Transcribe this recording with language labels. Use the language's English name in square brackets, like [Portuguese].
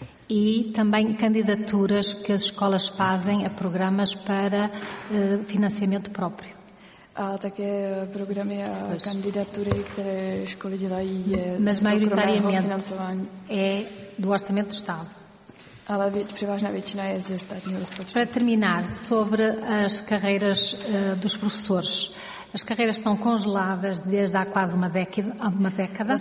[Portuguese] E também candidaturas que as escolas fazem a programas para financiamento próprio. [Czech] A také programy a kandidatury, které školy dělají, je soukromého financování. [Portuguese] É do orçamento do Estado. [Czech] Ale převážná většina je ze státního rozpočtu. [Portuguese] Para terminar, sobre as carreiras dos professores. As carreiras estão congeladas desde há quase uma década.